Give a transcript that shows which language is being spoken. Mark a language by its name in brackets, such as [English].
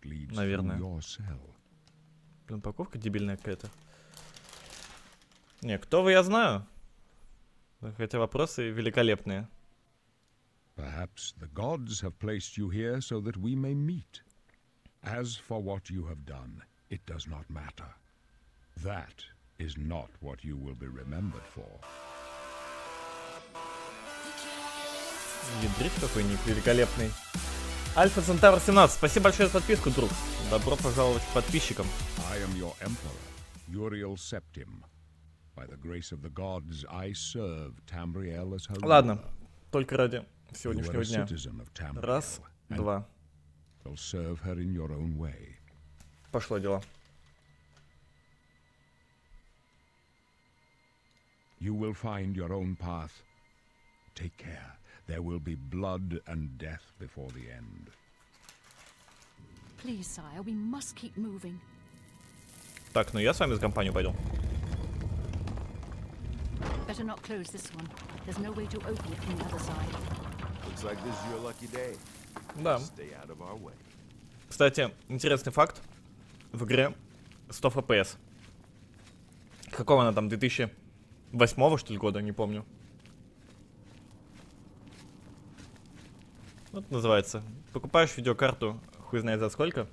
[Russian] Наверное. Блин, упаковка дебильная какая-то. Не, кто вы, я знаю. Хотя вопросы великолепные. [English] Perhaps the gods have placed you here so that we may meet. As for what you have done, it does not matter. That is not what you will be remembered for. [Russian] Ядрит какой-нибудь великолепный. Альфа Центавр 17, спасибо большое за подписку, друг. Добро пожаловать к подписчикам. [English] I am your emperor, Uriel Septim. By the grace of the gods, I serve Tamriel as her. [Russian] Ладно, только ради сегодняшнего дня. Раз, два. [English] You'll serve her in your own way. [Russian] Пошло дело. [English] You will find your own path. Take care. There will be blood and death before the end. Please, sire, we must keep moving. [Russian] Так, ну я с вами за компанию пойду. [English] Better not close this one. There's no way to open it from the other side. Looks like this is your lucky day. [Russian] Да. [English] Stay out of our way. [Russian] Кстати, интересный факт. В игре 100 FPS. Какого она там, 2008-го, что ли, года, не помню. Вот называется. Покупаешь видеокарту, хуй знает за сколько.